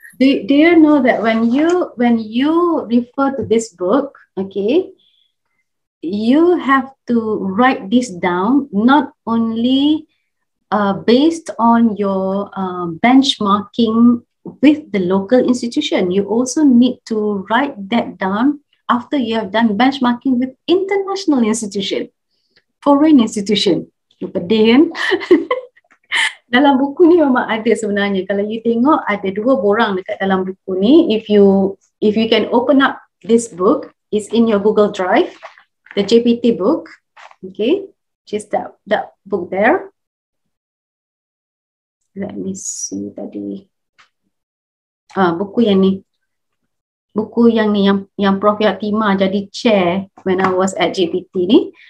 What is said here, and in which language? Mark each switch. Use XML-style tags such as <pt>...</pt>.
<en>Do you know that when you refer to this book, okay, you have to write this down, not only based on your benchmarking with the local institution, you also need to write that down after you have done benchmarking with international institution, foreign institution. Pedihan.</en> <ms>Dalam buku ni memang ada sebenarnya. Kalau</ms> <en>you</en> <ms>tengok, ada dua borang dekat dalam buku ni.</ms> <en>If you can open up this book, it's in your Google Drive, the JPT book. Okay, just that book there. Let me see</en> <ms>tadi. Buku yang</ms> <en>Prof Yatima</en> <ms>jadi</ms> <en>chair when I was at JPT</en> <ms>ni.</ms>